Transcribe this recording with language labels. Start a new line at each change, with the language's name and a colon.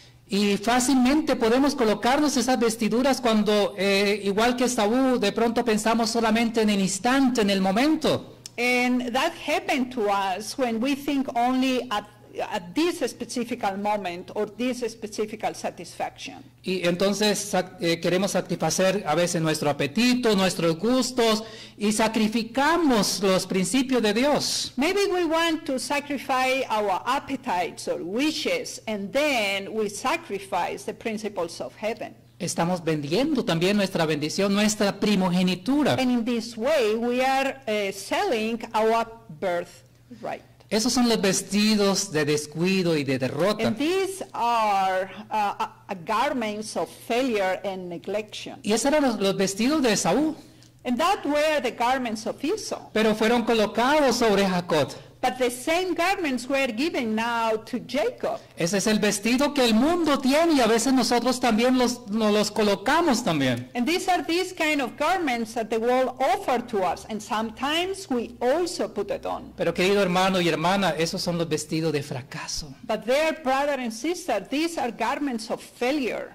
Spanish: Y fácilmente podemos colocarnos esas vestiduras cuando, igual que Saúl, de pronto pensamos solamente en el instante, en el momento.
English: And that happened to us when we think only at this specific moment or this specific satisfaction.
Spanish: Y entonces queremos satisfacer a veces nuestro apetito, nuestros gustos, y sacrificamos los principios de Dios.
English: Maybe we want to sacrifice our appetites or wishes, and then we sacrifice the principles of heaven.
Spanish: Estamos vendiendo también nuestra bendición, nuestra primogenitura.
English: And in this way we are selling our birthright.
Spanish: Esos son los vestidos de descuido y de derrota.
English: And these are garments of failure and neglect.
Spanish: Y esos eran los vestidos de Esaú.
English: And that were the garments of Esau.
Spanish: Pero fueron colocados sobre Jacob.
English: But the same garments were given now to Jacob.
Spanish: Ese es el vestido que el mundo tiene, y a veces nosotros también nos los colocamos también.
English: And these are these kind of garments that the world offer to us, and sometimes we also put it on.
Spanish: Pero querido hermano y hermana, esos son los vestidos de fracaso.
English: But there, brother and sister, these are garments of failure.